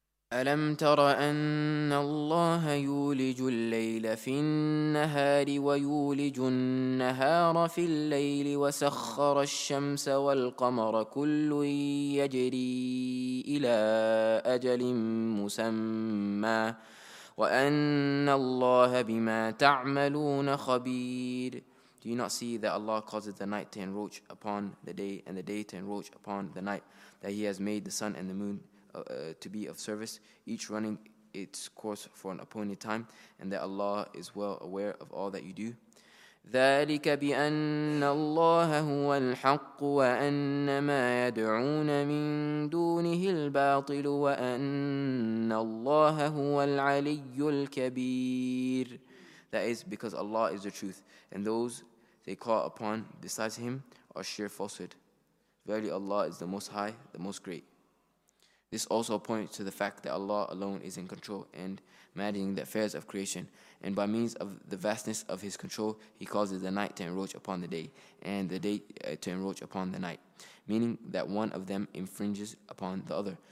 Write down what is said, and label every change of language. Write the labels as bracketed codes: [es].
[ar] أَلَمْ تَرَ أَنَّ اللَّهَ يُولِجُ اللَّيْلَ فِي النَّهَارِ وَيُولِجُ النَّهَارَ فِي اللَّيْلِ وَسَخَّرَ الشَّمْسَ وَالْقَمَرَ كُلٌّ يَجْرِي إِلَى أَجَلٍ مُسَمَّى وَأَنَّ اللَّهَ بِمَا تَعْمَلُونَ خَبِيرٌ. [en] Do you not see that Allah causes the night to encroach upon the day and the day to encroach upon the night, that He has made the sun and the moon to be of service, each running its course for an appointed time, and that Allah is well aware of all that you do? [ar] ذلك بأن الله هو الحق وأن ما يدعون من دونه الباطل وأن الله هو العلي الكبير. [en] That is because Allah is the truth, and those they call upon besides Him are sheer falsehood. Verily Allah is the Most High, the Most Great. This also points to the fact that Allah alone is in control and managing the affairs of creation. And by means of the vastness of His control, He causes the night to encroach upon the day and the day to encroach upon the night, meaning that one of them infringes upon the other.